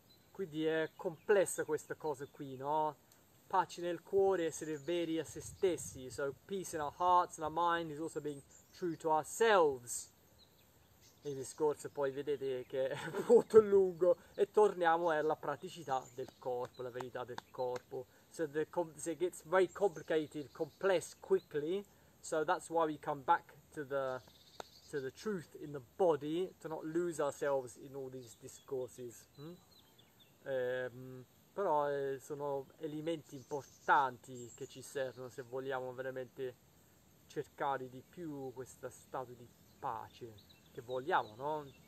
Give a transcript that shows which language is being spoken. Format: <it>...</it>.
<it>Quindi è complessa questa cosa qui, no? Pace nel cuore, essere veri a se stessi.</it> <en>So peace in our hearts and our mind is also being true to ourselves.</en> <it>Il discorso poi vedete che è molto lungo. E torniamo alla praticità del corpo, la verità del corpo.</it> <en>So it gets very complicated, complex quickly. So that's why we come back to the truth in the body, to not lose ourselves in all these discourses.</en> <it>Però sono elementi importanti che ci servono se vogliamo veramente cercare di più questo stato di pace che vogliamo, no?</it>